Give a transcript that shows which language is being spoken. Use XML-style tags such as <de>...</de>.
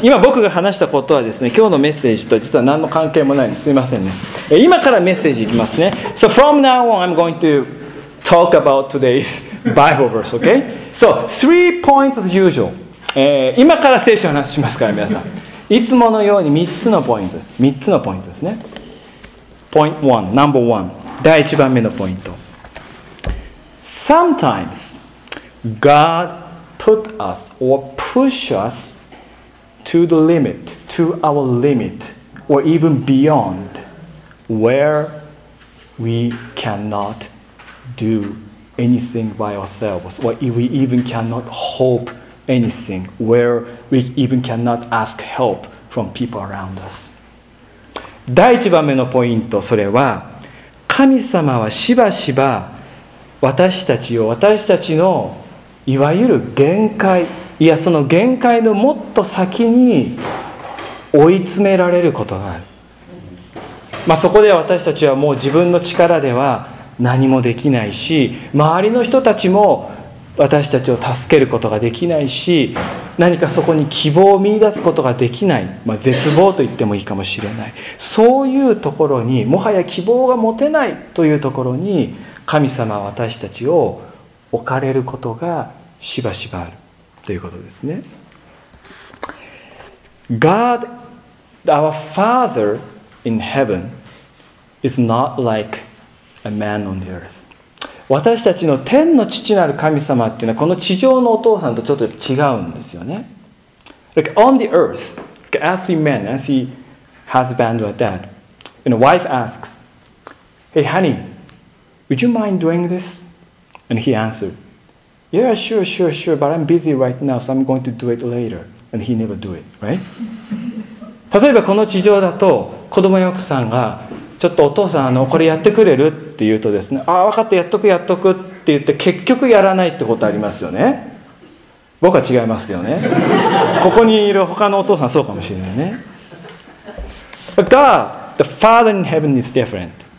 <ja>今僕が話したことはですね、今日のメッセージと実は何の関係もないんです。すいませんね。今からメッセージいきますね。</ja> <en>So from now on, I'm going to talk about today's Bible verse, okay? So, 3 points as usual.</en> <ja>今から聖書の話しますから、皆さん。いつものように3つのポイントです。 3つのポイントですね。</ja> <en>Point 1, number 1.</en> <ja>第1番目のポイント。</ja> <en>Sometimes God put us or push us to the limit, to our limit, or even beyond where we cannot do anything by ourselves, or we even cannot hopeanything where we even cannot ask help from people around us.</en> <ja>第一番目のポイント、それは神様はしばしば私たちを私たちのいわゆる限界、いやその限界のもっと先に追い詰められることがある。まあ、そこで私たちはもう自分の力では何もできないし、周りの人たちも私たちを助けることができないし、何かそこに希望を見出すことができない、まあ、絶望と言ってもいいかもしれない、そういうところにもはや希望が持てないというところに神様は私たちを置かれることがしばしばあるということですね。</ja> <en>God, our Father in heaven is not like a man on the earth.</en> <ja>私たちの天の父なる神様っていうのはこの地上のお父さんとちょっと違うんですよね。</ja> <en>Like on the earth, like earthly man, earthly husband or dad, and a wife asks, Hey honey, Would you mind doing this? And he answered, Yeah, sure, but I'm busy right now, so I'm going to do it later. And he never do it, right?</en> <ja>例えばこの地上だと、子供や奥さんが、ちょっとお父さん、これやってくれるって言うとですね、ああ、分かった、やっとくって言って、結局やらないってことありますよね。僕は違いますけどね。ここにいる他のお父さんそうかもしれないね。</ja> <en>But God, the Father in heaven is different.</en>